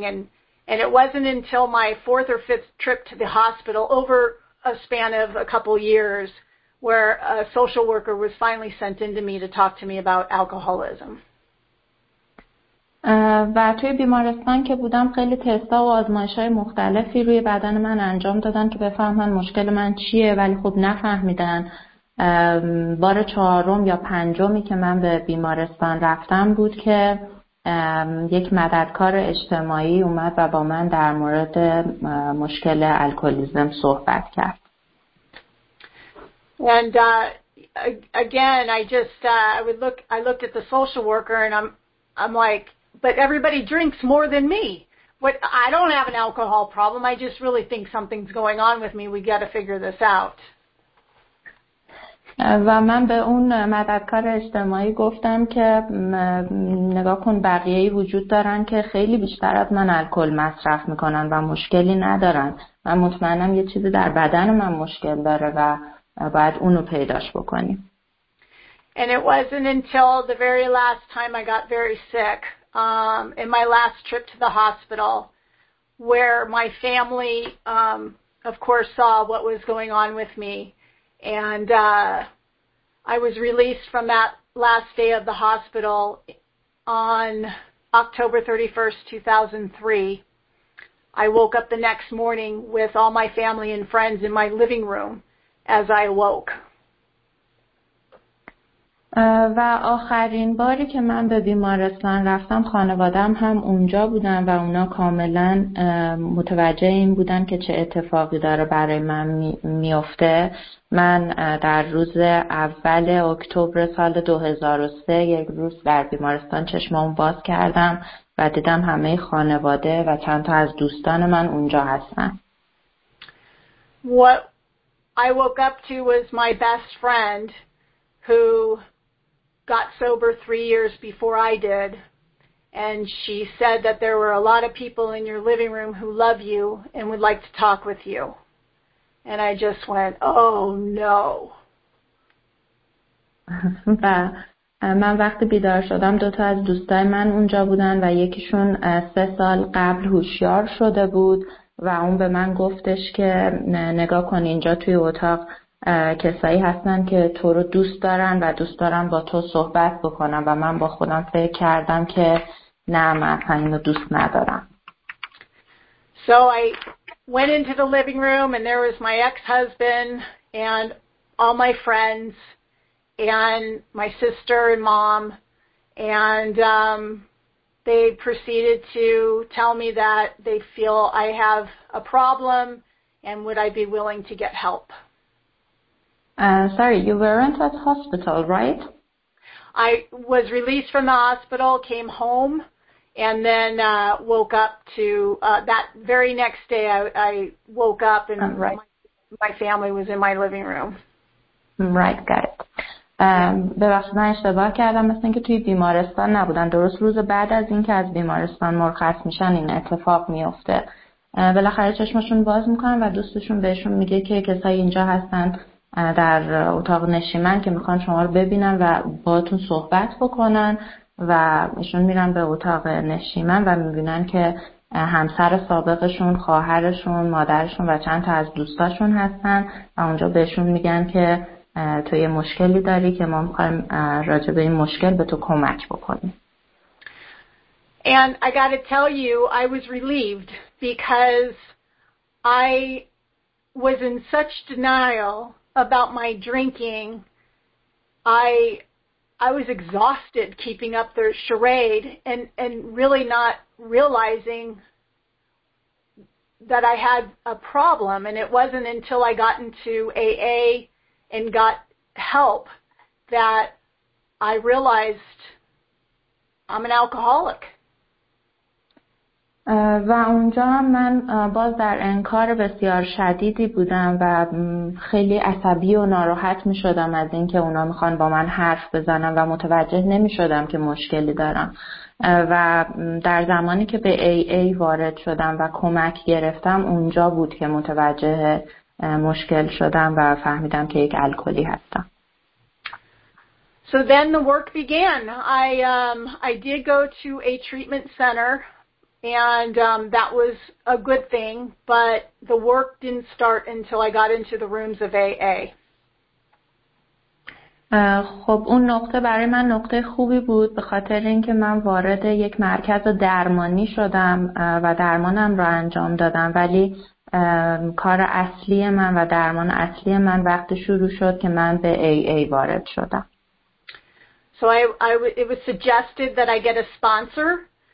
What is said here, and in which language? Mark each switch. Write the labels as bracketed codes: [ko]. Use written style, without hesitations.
[en] And it wasn't until my fourth or fifth trip to the hospital over a span of a couple years where a social worker was finally sent in to me to talk to me about alcoholism. [fa] و توی بیمارستان که بودم خیلی تستا و آزمایش‌های مختلفی روی بدن من انجام دادن که بفهمن مشکل من چیه، ولی خب نفهمیدن. بار چهارم یا پنجمی که من به بیمارستان رفتم بود که یک مددکار اجتماعی اومد و با من در مورد مشکل الکلیزم صحبت کرد. [en] And again, I looked at the social worker and I'm like, but everybody drinks more than me. What, I don't have an alcohol problem. I just really think something's going on with me. We got to figure this out. [fa] و من به اون مددکار اجتماعی گفتم که نگاه کن بقیه‌ای وجود دارن که خیلی بیشتر از من الکل مصرف میکنن و مشکلی ندارن. من مطمئنم یه چیزی در بدن من مشکل داره و باید اونو پیداش بکنیم. [en] And it wasn't until the very last time I got very sick, in my last trip to the hospital, where my family, of course, saw what was going on with me. And I was released from that last day of the hospital on October 31st, 2003. I woke up the next morning with all my family and friends in my living room as I awoke. [fa] و آخرین باری که من به بیمارستان رفتم خانواده‌ام هم اونجا بودن و اونا کاملا متوجه این بودن که چه اتفاقی داره برای من میفته. من در روز اول اکتبر سال 2003 یک روز در بیمارستان چشمامو باز کردم و دیدم همه خانواده و چند تا از دوستان من اونجا هستن. [en] What I woke up to was my best friend who got sober 3 years before I did, and she said that there were a lot of people in your living room who love you and would like to talk with you. And I just went, oh no. [fa] و من وقتی بیدار شدم دو تا از دوستای من اونجا بودن و یکیشون 3 سال قبل هوشیار شده بود و اون به من گفتش که نگاه کن اینجا توی اتاق کسایی هستن که تو رو دوست دارن و دوست دارن با تو صحبت بکنن و من با خودم فکر کردم که نه من اینو دوست ندارم. [en] So I went into the living room and there was my ex-husband and all my friends and my sister and mom and they proceeded to tell me that they feel I have a problem and would I be willing to get help. Sorry, you weren't at hospital, right? I was released from the hospital, came home, and then woke up to that very next day. I woke up and my family was in my living room. Right, got it. [fa] ببخشید من اشتباه کردم، مثل اینکه توی بیمارستان نبودن. درست روز بعد از اینکه از بیمارستان مرخص میشن این اتفاق میفته. بالاخره چشمشون باز میکنن و دوستشون بهشون میگه که کسایی اینجا هستن در اتاق نشیمن که میخوان شما رو ببینن و باهاتون صحبت بکنن و ایشون میرن به اتاق نشیمن و میبینن که همسر سابقشون، خواهرشون، مادرشون و چند تا از دوستاشون هستن و اونجا بهشون میگن که تو یه مشکلی داری که ما میخوایم راجع به این مشکل به تو کمک بکنیم. [en] And I gotta tell you, I was relieved because I was in such denial about my drinking. I was exhausted keeping up their charade and really not realizing that I had a problem. And it wasn't until I got into AA and got help that I realized I'm an alcoholic. [fa] و اونجا من باز در انکار بسیار شدیدی بودم و خیلی عصبی و ناراحت می شدم از اینکه اونا می خوان با من حرف بزنن و متوجه نمی شدم که مشکلی دارم. و در زمانی که به AA وارد شدم و کمک گرفتم اونجا بود که متوجه مشکل شدم و فهمیدم که یک الکلی هستم. [en] So then the work began. I did go to a treatment center. And that was a good thing, but the work didn't start until I got into the rooms of AA. [fa] خب اون نقطه برای من نقطه خوبی بود به خاطر اینکه من وارد یک مرکز درمانی شدم و درمانم رو انجام دادم، ولی کار اصلی من و درمان اصلی من وقتی شروع شد که من به AA وارد شدم. [en] So it was suggested that I get a sponsor.